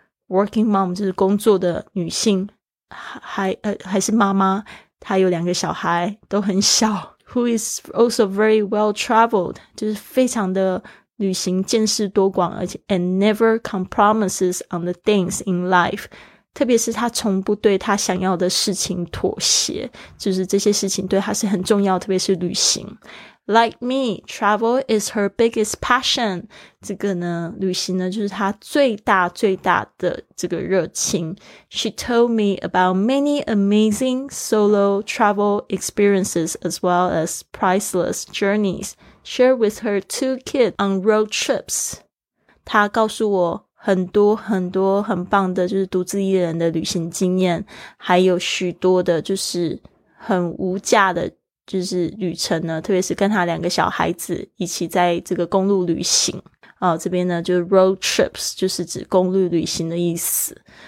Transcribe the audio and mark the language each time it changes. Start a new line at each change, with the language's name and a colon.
English: working mom
Chinese: 就是工作的女性 还是妈妈她有两个小孩都很小
English: Who is also very well traveled,
Chinese: 就是非常的旅行见识多广而且
English: and never compromises on the things in life.
Chinese: 特别是他从不对他想要的事情妥协就是这些事情对他是很重要特别是旅行。
English: Like me, travel is her biggest passion.
Chinese: 这个呢旅行呢就是他最大最大的这个热情。
English: She told me about many amazing solo travel experiences as well as priceless journeys shared with her two kids on road trips.
Chinese: 她告诉我很多很多很棒的就是独自一人的旅行经验还有许多的就是很无价的就是旅程呢特别是跟他两个小孩子一起在这个公路旅行这边呢就是
English: road trips
Chinese: 就是指公路旅行的意思